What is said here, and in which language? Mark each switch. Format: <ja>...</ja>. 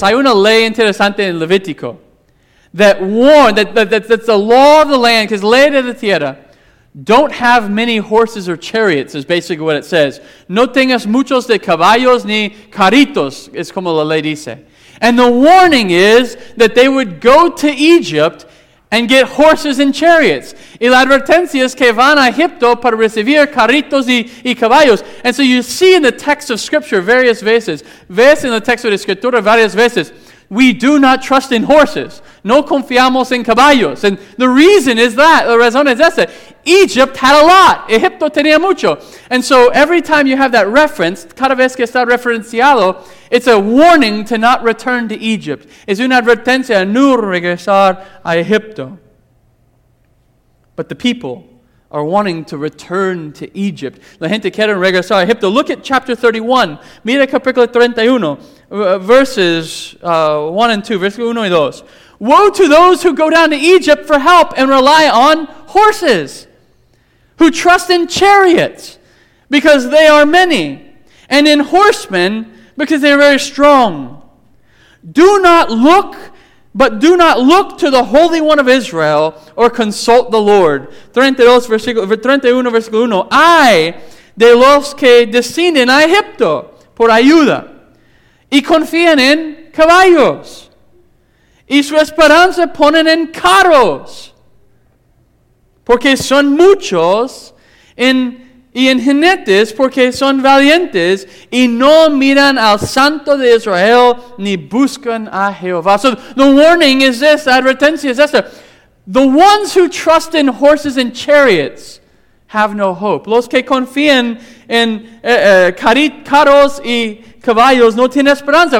<es>Hay una ley interesante en Levítico</es> <en>that warned, that's the law of the land, because</en> <es>ley de la tierra,</es> <en>don't have many horses or chariots, is basically what it says.</en> <es>No tengas muchos de caballos ni carritos, es como la ley dice.</es> <en>And the warning is that they would go to Egypt and get horses and chariots.</en> <es>Y la advertencia es que van a Egipto para recibir carritos y caballos.</es> <en>And so you see in the text of Scripture various</en> <es>veces, ves en el texto de Escritura varias veces,</es> <en>we do not trust in horses.</en> <es>No confiamos en caballos.</es> <en>And the reason is that,</en> <es>la razón es esa.</es> <en>Egypt had a lot.</en> <es>Egipto tenía mucho.</es> <en>And so every time you have that reference,</en> <es>cada vez que está referenciado,</es> <en>it's a warning to not return to Egypt.</en> <es>Es una advertencia a no regresar a Egipto.</es> <en>But the people are wanting to return to Egypt.</en> <es>La gente quiere regresar a Egipto.</es> <en>Look at chapter 31.</en> <es>Mira capítulo 31.</es> <en>Verses 1 and 2. Woe to those who go down to Egypt for help and rely on horses, who trust in chariots because they are many, and in horsemen because they are very strong. Do not look to the Holy One of Israel or consult the Lord. 32:1.</en> <es>Ay de los que descienden a Egipto por ayuda y confían en caballos. Y su esperanza ponen en carros, porque son muchos, y en jinetes, porque son valientes, y no miran al Santo de Israel, ni buscan a Jehová.</es> <en>So the warning is this, the advertencia is this. The ones who trust in horses and chariots have no hope.</en> <es>Los que confían en carros y caballos no tienen esperanza.</es>